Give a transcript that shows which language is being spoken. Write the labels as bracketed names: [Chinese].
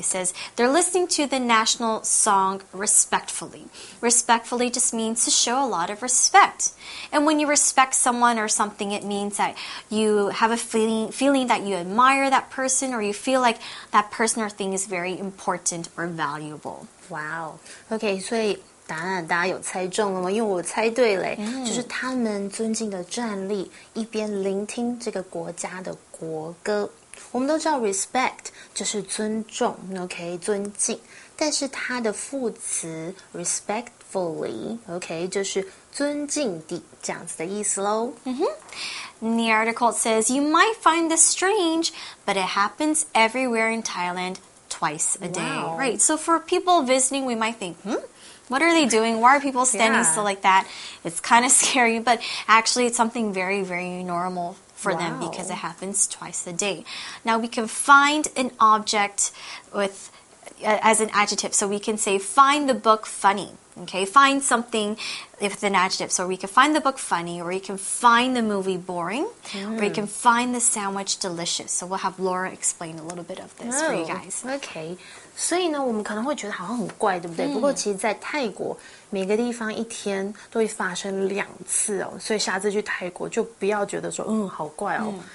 [English] It says, they're listening to the national song respectfully. Respectfully just means to show a lot of respect. And when you respect someone or something, it means that you have a feeling that you admire that person or you feel like that person or thing is very important or valuable. Wow. Okay, so... [Chinese] 答案大家有猜中了吗？因为我猜对了，就是他们尊敬的站立，一边聆听这个国家的国歌。我们都知道 respect 就是尊重 ，OK， 尊敬。但是它的副词 respectfully，OK，、okay, 就是尊敬地这样子的意思喽。 [English] And the article says you might find this strange, but it happens everywhere in Thailand twice a day. Wow. Right? So for people visiting, we might think, What are they doing? Why are people standing still like that? It's kind of scary, but actually it's something very, very normal for them because it happens twice a day. Now we can find an object with, as an adjective. So we can say, find the book funny. Okay, find something with an adjective. So we can find the book funny or you can find the movie boring or you can find the sandwich delicious. So we'll have Laura explain a little bit of this for you guys. Okay. [Chinese] 所以呢，我们可能会觉得好像很怪，对不对？不过其实，在泰国每个地方一天都会发生两次哦，所以下次去泰国就不要觉得说，好怪哦。